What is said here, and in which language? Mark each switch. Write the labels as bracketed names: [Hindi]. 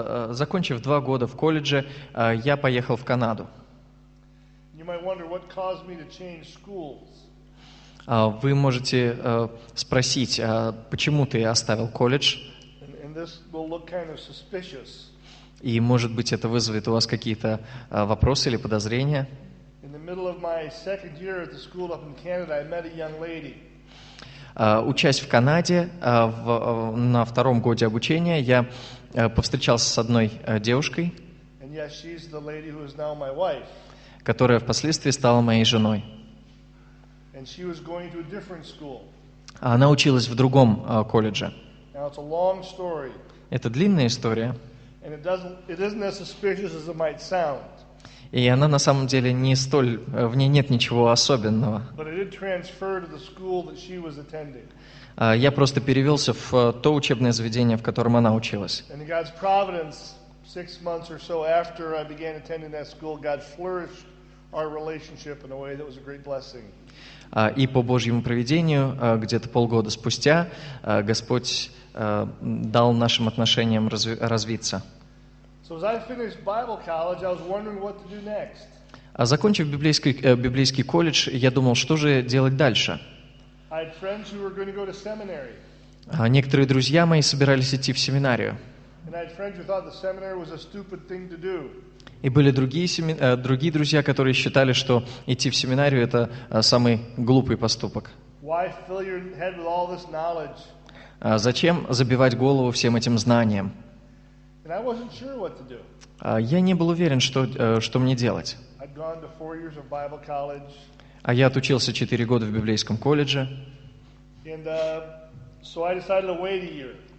[Russian] Закончив 2 года в колледже, я поехал в Канаду. [English] You might wonder what caused me to change schools. [Russian] Вы можете спросить, почему ты оставил колледж? [English] And this will look kind of suspicious. [Russian] И может быть это вызовет у вас какие-то вопросы или подозрения? [English] In the middle of my second year at the school up in Canada, I met a young lady. [Russian] Учась в Канаде, на втором годе обучения, я повстречался с одной девушкой. [English] And yes, she's the lady who is now my wife. [Russian] Которая впоследствии стала моей женой. [English] And she was going to a different school. [Russian] Она училась в другом колледже. [English] Now it's a long story. [Russian] Это длинная история. [English] And it isn't as suspicious as it might sound. [Russian] И она на самом деле не столь, в ней нет ничего особенного. [English] But I did transfer to the school that she was attending. [Russian] Я просто перевелся в то учебное заведение, в котором она училась. [English] And in God's providence, 6 months or so after I began attending that school, God flourished our relationship in a way that was a great blessing. [Russian] И по Божьему провидению, где-то полгода спустя, Господь дал нашим отношениям развиться. [English] So as I finished Bible college, I was wondering what to do next. [Russian] Закончив библейский колледж, я думал, что же делать дальше. [English] I had friends who were going to go to seminary. [Russian] Некоторые друзья мои собирались идти в семинарию. [English] And I had friends who thought the seminary was a stupid thing to do. [Russian] И были другие друзья, которые считали, что идти в семинарию это самый глупый поступок. [English] Why fill your head with all this knowledge? [Russian] Зачем забивать голову всем этим знанием? [English] And I wasn't sure what to do. [Russian] Я не был уверен, что мне делать. [English] I'd gone to 4 years of Bible college. [Russian] А я отучился 4 года в библейском колледже. [English] And so I decided to wait a year.